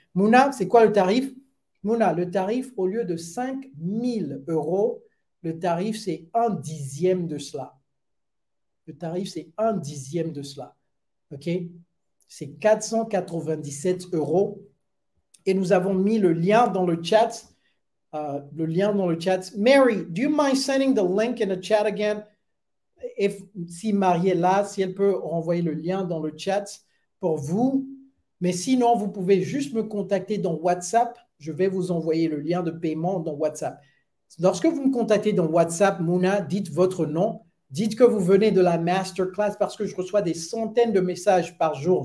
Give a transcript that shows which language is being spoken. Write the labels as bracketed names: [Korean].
[French] Mouna, c'est quoi le tarif? Mouna, le tarif, au lieu de 5 000 euros, le tarif, c'est un dixième de cela. Le tarif, c'est un dixième de cela. OK? C'est 497 euros. Et nous avons mis le lien dans le chat. Le lien dans le chat. [English] Mary, do you mind sending the link in the chat again? [French] Si Marie est là, si elle peut renvoyer le lien dans le chat pour vous. Mais sinon, vous pouvez juste me contacter dans WhatsApp. Je vais vous envoyer le lien de paiement dans WhatsApp. Lorsque vous me contactez dans WhatsApp, Mouna, dites votre nom. Dites que vous venez de la masterclass parce que je reçois des centaines de messages par jour.